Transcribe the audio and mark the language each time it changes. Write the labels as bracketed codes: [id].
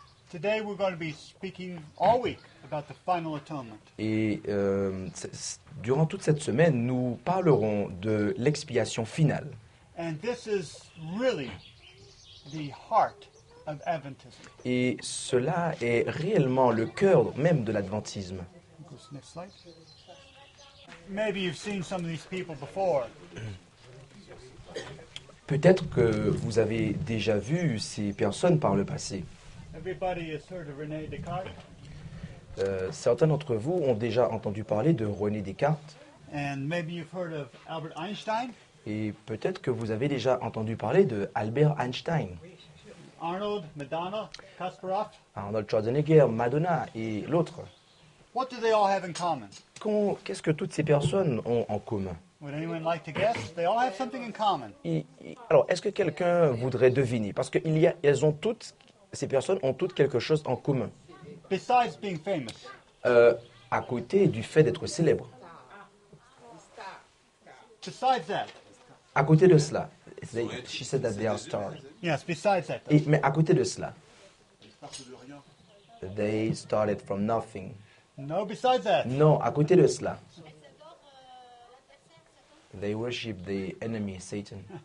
[en] Today we're going to be speaking all week about the final atonement. [fr] Et durant toute cette semaine, nous parlerons de l'expiation finale. [en] And this is really the heart of Adventism. [fr] Et cela est réellement le cœur même de l'adventisme. [en] Next slide. Maybe you've seen some of these people before. [fr] Peut-être que vous avez déjà vu ces personnes par le passé. [en] Everybody has heard of René Descartes. [fr] Certains d'entre vous ont déjà entendu parler de René Descartes. [en] And maybe you've heard of Albert Einstein. [fr] Et peut-être que vous avez déjà entendu parler de Albert Einstein. [en] Arnold, Madonna, Kasparov. [fr] Arnold Schwarzenegger, Madonna et l'autre. [en] What do they all have in common? [fr] Qu'est-ce que toutes ces personnes ont en commun? [en] Would anyone like to guess? They all have something in common. [fr] Alors, est-ce que quelqu'un voudrait deviner? Parce qu'il y a, elles ont toutes. Ces personnes ont toutes quelque chose en commun. [en] Besides being famous. [fr] À côté du fait d'être célèbre. [en] Besides that. [fr] À côté de cela. [en] She said that they are stars. Yes, besides that. [fr] Mais à côté de cela. Ils partent de rien. [en] They started from nothing. No, besides that. [fr] Non, à côté de cela. [en] They worship the enemy, Satan.